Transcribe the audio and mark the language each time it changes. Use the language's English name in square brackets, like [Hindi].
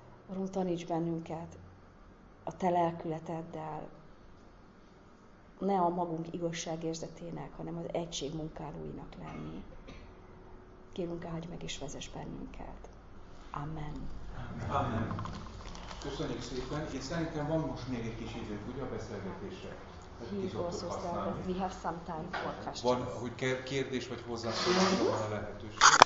[Hungarian] Urunk, taníts bennünket a te lelkületeddel, ne a magunk igazságérzetének, hanem az egység munkálóinak lenni. Kérünk, áldj meg és vezess bennünket. Amen. Amen. Köszönjük szépen. Én szerintem van most még egy kis idő, ugye, a beszélgetésre. [English] We have some time for questions. [Hungarian] Van, hogy kérdés vagy hozzászólás, van a lehetőség.